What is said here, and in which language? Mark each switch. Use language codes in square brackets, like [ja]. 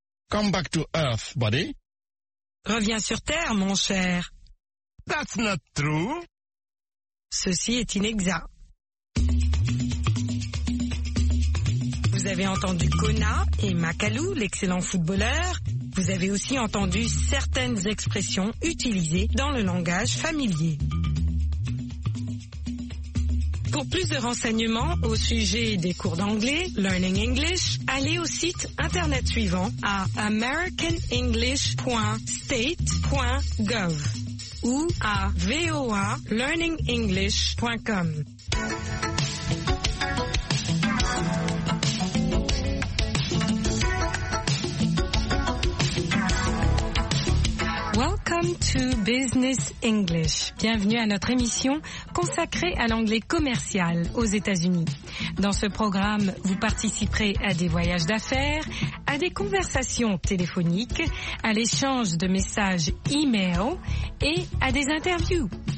[en] Come back to earth, buddy. [fr] Reviens sur terre, mon cher. [en] That's not true. [fr] Ceci est inexact. Vous avez entendu Kona et Makalou, l'excellent footballeur. Vous avez aussi entendu certaines expressions utilisées dans le langage familier. Pour plus de renseignements au sujet des cours d'anglais, Learning English, allez au site internet suivant à americanenglish.state.gov ou à voalearningenglish.com. [en] Welcome to Business English. [fr] Bienvenue à notre émission consacrée à l'anglais commercial aux États-Unis. Dans ce programme, vous participerez à des voyages d'affaires, à des conversations téléphoniques, à l'échange de messages e-mail et à des interviews.